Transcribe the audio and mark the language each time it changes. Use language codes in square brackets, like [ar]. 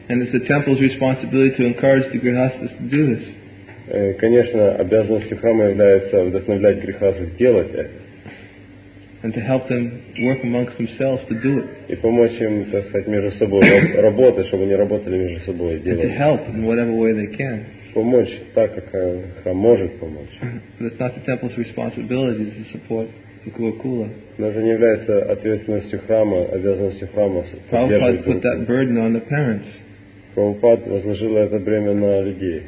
[en] And it's the temple's responsibility to encourage the grihasthas to do this. [ru] Конечно, обязанностью храма является вдохновлять грехасов делать это. [en] And to help them work amongst themselves to do it. [ru] И помочь им, так сказать, между собой работать, чтобы они работали между собой, делать. [en] And to help in whatever way they can. [ru] Помочь так, как храм может помочь. [en] It's not the temple's responsibility to support the Gurukula. [ru] Но это не является ответственностью храма, обязанностью храма поддерживать. [en] Put that burden on the parents. [ru] Прабхупад возложил это бремя на людей,